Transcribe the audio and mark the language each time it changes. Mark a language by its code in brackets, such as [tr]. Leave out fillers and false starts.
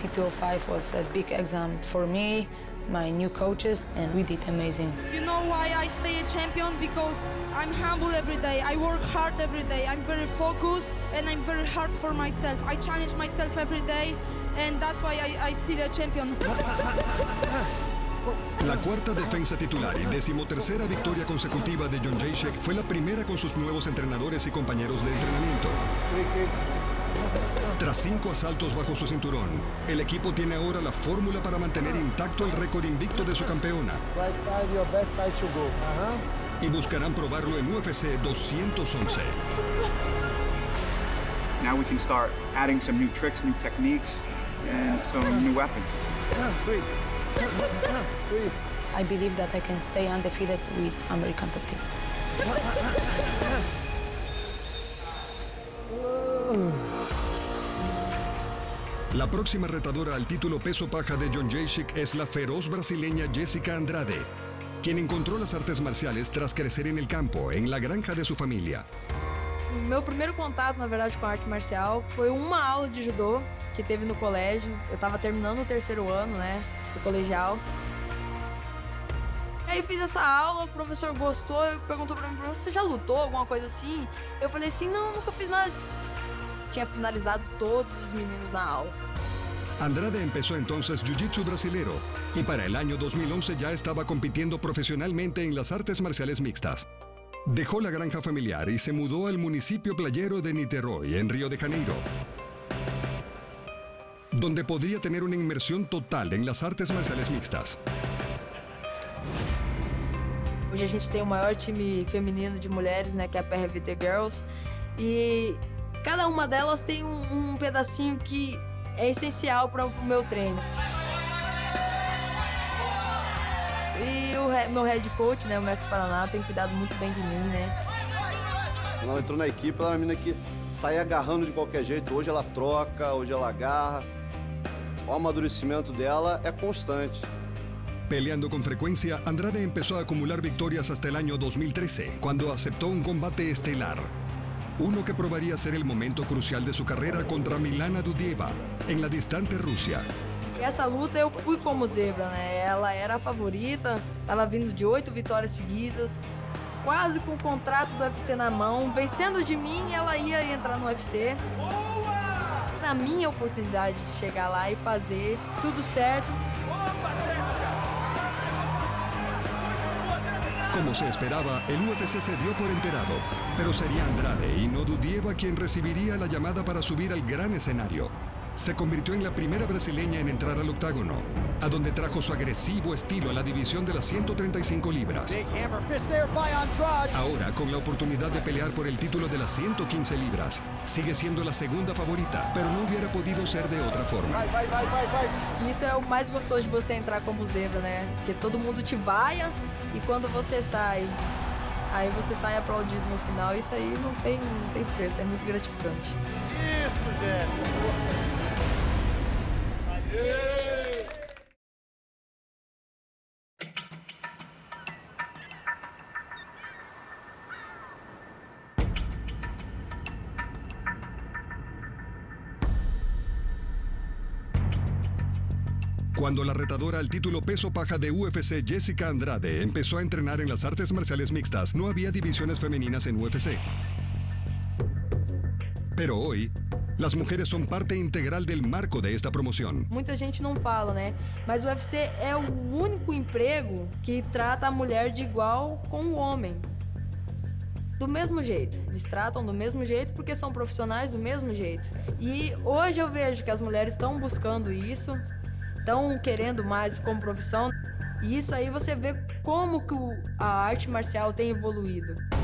[en] UFC 205 was a big exam for me, my new coaches, and we did amazing. You know why I stay a champion? Because I'm humble every day. I work hard every day. I'm very focused, and I'm very hard for myself. I challenge myself every day, and that's why I still a champion. [es] La cuarta defensa titular y decimotercera victoria consecutiva de Yun Jae-chen fue la primera con sus nuevos entrenadores y compañeros de entrenamiento. Tras cinco asaltos bajo su cinturón, el equipo tiene ahora la fórmula para mantener intacto el récord invicto de su campeona. [en] Right side, your best side to go. Uh-huh. [es] Y buscarán probarlo en UFC 211. [en] Now we can start adding some new tricks, new techniques, and some new weapons. I believe that I can stay undefeated with American top team. [es] La próxima retadora al título peso paja de Yun Jae-chen es la feroz brasileña Jessica Andrade, quien encontró las artes marciales tras crecer en el campo, en la granja de su familia. [pt] Meu primeiro contato, na verdade, com a arte marcial foi uma aula de judô que teve no colégio. Eu estava terminando o terceiro ano, né, do colegial. Aí fiz essa aula, o professor gostou, perguntou para mim, você já lutou, alguma coisa assim? Eu falei assim, não, nunca fiz nada. Tinha finalizado todos os meninos na aula. [es] Andrade empezó entonces jiu-jitsu brasileiro y para el año 2011 ya estaba compitiendo profesionalmente en las artes marciales mixtas. Dejó la granja familiar y se mudó al municipio playero de Niterói, en Río de Janeiro, donde podría tener una inmersión total en las artes marciales mixtas. [pt] Hoy a gente tem o maior time feminino de mulheres, né, que é a PRVT Girls, e cada uma delas tem um pedacinho que é essencial para o meu treino. E o meu head coach, né, o Mestre Paraná, tem cuidado muito bem de mim, né? Quando ela entrou na equipe, ela é uma menina que sai agarrando de qualquer jeito. Hoje ela troca, hoje ela agarra. O amadurecimento dela é constante. [es] Peleando [pt] com frequência, Andrade começou a acumular vitórias até o ano 2013, quando aceitou um combate estelar. [es] Uno que probaría ser el momento crucial de su carrera contra Milana Dudieva, en la distante Rusia. [pt] Essa luta eu fui como zebra, né? Ela era a favorita, estava vindo de 8 vitórias seguidas, quase com o contrato do UFC na mão, vencendo de mim, ela ia entrar no UFC. Na minha oportunidade de chegar lá e fazer tudo certo. [es] Como se esperaba, el UFC se dio por enterado, pero sería Andrade y no Dudieva quien recibiría la llamada para subir al gran escenario. Se convirtió en la primera brasileña en entrar al octágono, a donde trajo su agresivo estilo a la división de las 135 libras. Ahora, con la oportunidad de pelear por el título de las 115 libras, sigue siendo la segunda favorita, pero no hubiera podido ser de otra forma. [pt] Isso é o mais gostoso de você entrar como zebra, né? Porque todo mundo te vaia, e quando você sai, aí você sai aplaudido no final. Isso aí não tem preço, é muito gratificante. Isso, gente! Yay! [es] Cuando la retadora al título peso paja de UFC, Jessica Andrade, empezó a entrenar en las artes marciales mixtas, no había divisiones femeninas en UFC. Pero hoy, las mujeres son parte integral del marco de esta promoción. Mucha gente no [pt] fala, [es] ¿no? [pt] Mas o [es] UFC es el único [pt] emprego [es] que trata a mujer de igual con [pt] o homem. Do mesmo jeito, eles tratam do mesmo jeito porque são profissionais do mesmo jeito. E hoje eu vejo que as mulheres estão buscando isso, estão querendo mais como profissão. E isso aí você vê como que a arte marcial tem evoluído.